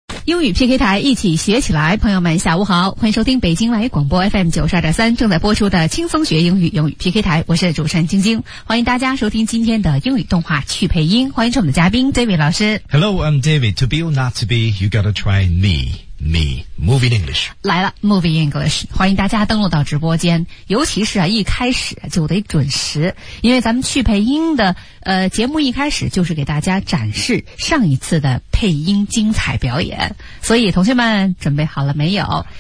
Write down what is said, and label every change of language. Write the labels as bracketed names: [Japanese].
[Chinese] 英语 PK 台一起学起来，朋友们下午好，欢迎收听北京来广播 FM92.3 正在播出的轻松学英语，英语 PK 台，我是主持人晶晶，欢迎大家收听今天的英语动画去配音，欢迎我们的嘉宾 David 老师。 [English] Hello, I'm David. To be or not to be, you gotta try me. Me, Moving English. [Chinese] 来了 Moving English. 欢迎大家登录到直播间，尤其是啊一开始就得准时，因为咱们去配音的节目一开始就是给大家展示上一次的配音精彩表演，所以同学们准备好了没有？